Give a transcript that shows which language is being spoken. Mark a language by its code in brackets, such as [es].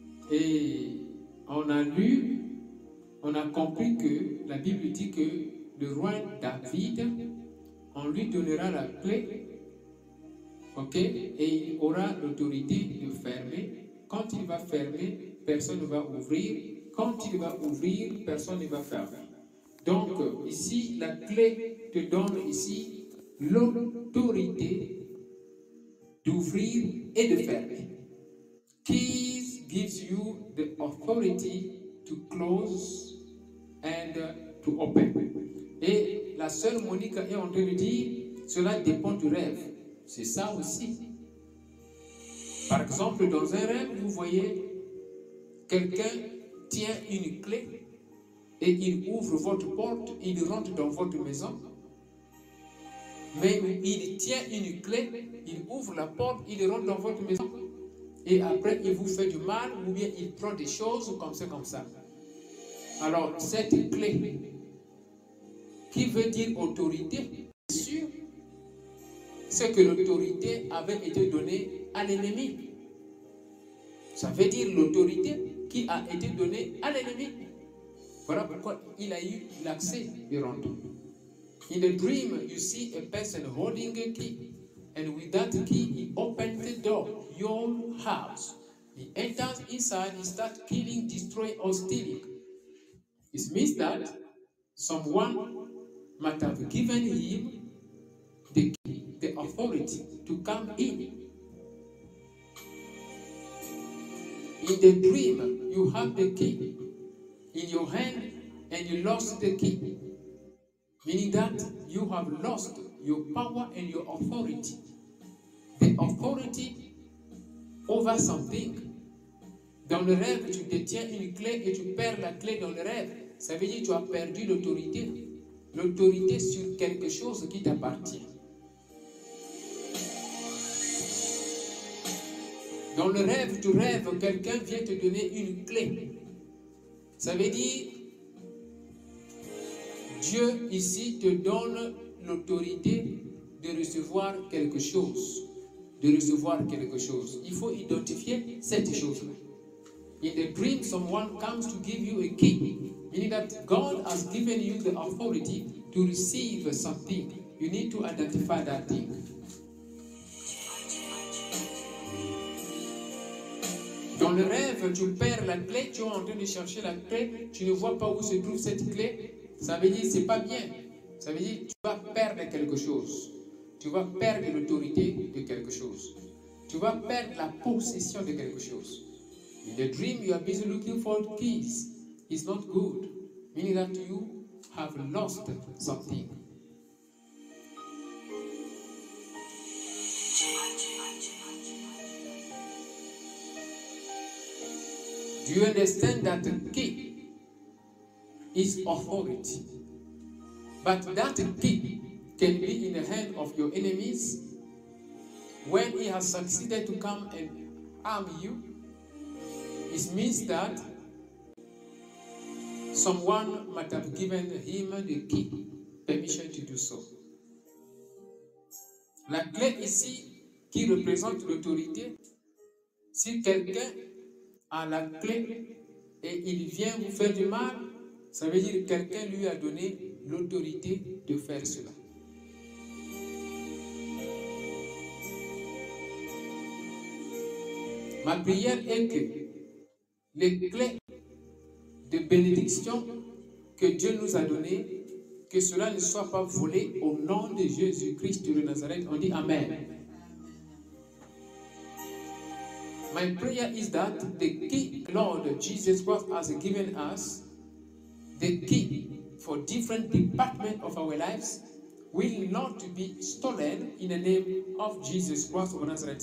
[fr] Et on a lu, on a compris que la Bible dit que le roi David, on lui donnera la clé, ok, et il aura l'autorité de fermer. Quand il va fermer, personne ne va ouvrir. Quand il va ouvrir, personne ne va fermer. Donc, ici, la clé te donne ici l'autorité d'ouvrir et de fermer. [en] Keys gives you the authority to close and to open. [fr] Et la sœur Monica est en train de dire, cela dépend du rêve. C'est ça aussi. Par exemple, dans un rêve, vous voyez, quelqu'un tient une clé et il ouvre votre porte, il rentre dans votre maison. Mais il tient une clé, il ouvre la porte, il rentre dans votre maison. Et après, il vous fait du mal ou bien il prend des choses comme ça. Alors, cette clé qui veut dire autorité, bien sûr, c'est que l'autorité avait été donnée à l'ennemi. Ça veut dire l'autorité qui a été donnée à l'ennemi. Voilà pourquoi il a eu l'accès du rendez-vous. [en] In the dream, you see a person holding a key. And with that key, he opens the door, your house. He enters inside, he starts killing, destroying, or stealing. It means that someone might have given him the key, the authority to come in. In the dream, you have the key in your hand and you lost the key. Meaning that you have lost your power and your authority. The authority over something. [fr] Dans le rêve, tu détiens une clé et tu perds la clé dans le rêve. Ça veut dire que tu as perdu l'autorité. L'autorité sur quelque chose qui t'appartient. Dans le rêve, tu rêves, quelqu'un vient te donner une clé. Ça veut dire, Dieu ici te donne l'autorité de recevoir quelque chose. De recevoir quelque chose. Il faut identifier cette chose-là. [en] In the dream, someone comes to give you a key. Meaning that God has given you the authority to receive something. You need to identify that thing. [fr] Dans le rêve, tu perds la clé, tu es en train de chercher la clé, tu ne vois pas où se trouve cette clé. Ça veut dire que ce n'est pas bien. Ça veut dire que tu vas perdre quelque chose. Tu vas perdre l'autorité de quelque chose. Tu vas perdre la possession de quelque chose. [en] In the dream, you are busy looking for keys. It's not good. Meaning that you have lost something. Do you understand that the key is authority? But that key can be in the hand of your enemies when he has succeeded to come and harm you. It means that someone might have given him the key, permission to do so. [fr] La clé ici qui représente l'autorité, si quelqu'un à la clé et il vient vous faire du mal, Ça veut dire que quelqu'un lui a donné l'autorité de faire cela. Ma prière est que les clés de bénédiction que Dieu nous a données, que cela ne soit pas volé au nom de Jésus-Christ de Nazareth. On dit Amen. [en] My prayer is that the key Lord Jesus Christ has given us, the key for different departments of our lives, will not be stolen in the name of Jesus Christ of Nazareth.